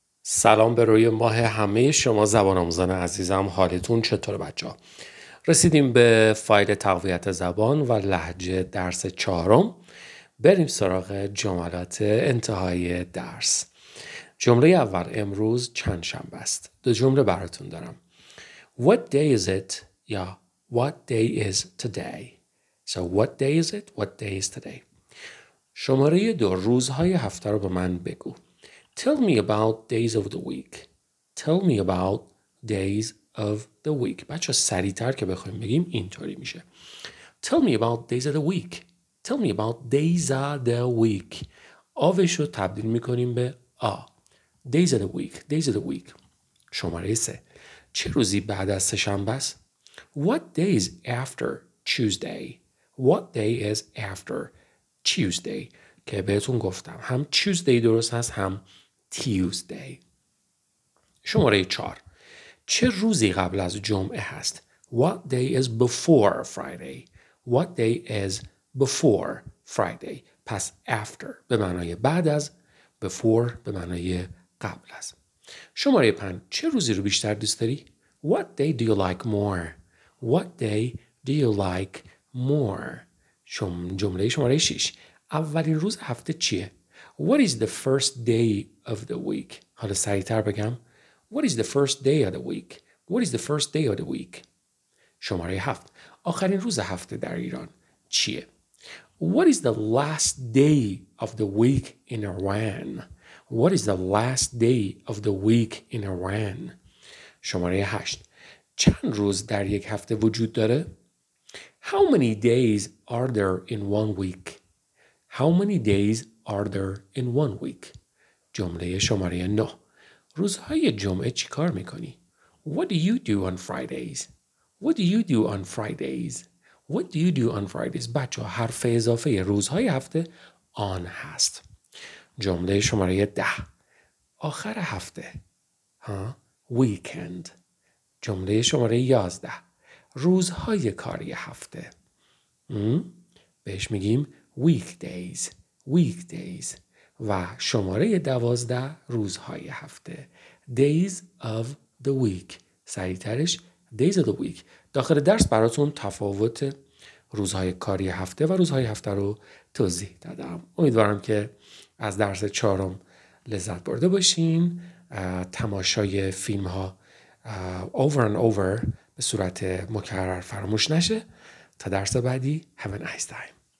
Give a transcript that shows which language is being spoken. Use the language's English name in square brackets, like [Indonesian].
[Persian] سلام به روی ماه همه شما زبان آموزان عزیزم، حالتون چطور بچه ها؟ رسیدیم به فایل تقویت زبان و لهجه درس چهارم. بریم سراغ جملات انتهای درس. جمله اول، امروز چند شنبه است؟ دو جمله براتون دارم. [English] What day is it؟ یا What day is today؟ So what day is it؟ What day is today؟ [Persian] شماره دو، روزهای هفته رو به من بگو. [English] Tell me about days of the week. Tell me about days of the week. [Persian] بچه سریع تر که بخوایم بگیم اینطوری میشه. [English] Tell me about days of the week. Tell me about days of the week. [Persian] آوش رو تبدیل میکنیم به آ. [English] Days of the week. Days of the week. [Persian] شماره سه. چه روزی بعد از سه‌شنبه است؟ [English] What day is after Tuesday? What day is after Tuesday? [Persian] که بهتون گفتم هم Tuesday درست هست هم Tuesday. شماره چار، چه روزی قبل از جمعه هست؟ [English] What day is before Friday? What day is before Friday? [Persian] پس after به معنای بعد از، before به معنای قبل از. شماره پنج، چه روزی رو بیشتر دوست داری؟ [English] What day do you like more? What day do you like more? [Persian] جمله شماره شیش، اولین روز هفته چیه؟ [English] What is the first day of the week? [Persian] حالا سریع‌تر بگم. [English] What is the first day of the week? What is the first day of the week? [Persian] شماره هفت. آخرین روز هفته در ایران چیه؟ [English] What is the last day of the week in Iran? What is the last day of the week in Iran? [Persian] شماره هشت. چند روز در یک هفته وجود داره؟ [English] How many days are there in one week? How many days are there in one week? [Persian] جمله شماره 9. روزهای جمعه چی کار میکنی؟ [English] What do you do on Fridays? What do you do on Fridays? What do you do on Fridays? [Persian] بچه حرف اضافه روزهای هفته on هست. جمله شماره 10. آخر هفته. Weekend. جمله شماره 11. روزهای کاری هفته. بهش میگیم weekdays. Weekdays. و شماره 12، روزهای هفته. [English] Days of the week. [Persian] سریع ترش [English] days of the week. [Persian] داخل درس براتون تفاوت روزهای کاری هفته و روزهای هفته رو توضیح دادم. امیدوارم که از درس چهارم لذت برده باشین. تماشای فیلم ها [English] over and over [Persian] به صورت مکرر فراموش نشه. تا درس بعدی [English] have a nice time.